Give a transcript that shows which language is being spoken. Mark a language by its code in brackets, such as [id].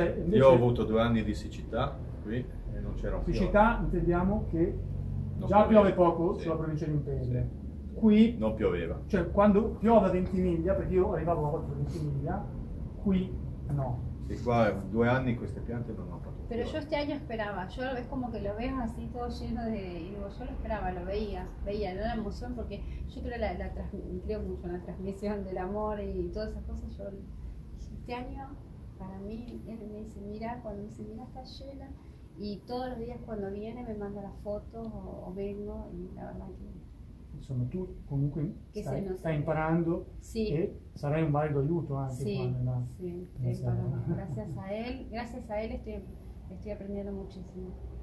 [it] Io ho avuto 2 anni di siccità qui e non c'era fiore. Siccità intendiamo che già piove poco, sì, sulla provincia di Imperia. Sì. Qui non pioveva. Cioè, quando piove a Ventimiglia, perché io arrivavo a volte a Ventimiglia, qui no. Sì, qua 2 anni queste piante non ho. [es] Pero yo este año esperaba, yo lo ves como que lo ves así todo lleno de... Y digo, yo lo esperaba, lo veía, era la emoción, porque yo creo creo mucho en la transmisión del amor y todas esas cosas. Yo este año, para mí, él me dice, mira, cuando dice, mira, está llena. Y todos los días cuando viene me manda las fotos o vengo y la verdad que... [it] Insomma, tu comunque stai imparando, sì, e sarai un valido aiuto anche, sì, qua nella, sì, nella... grazie a lui sto apprendendo moltissimo.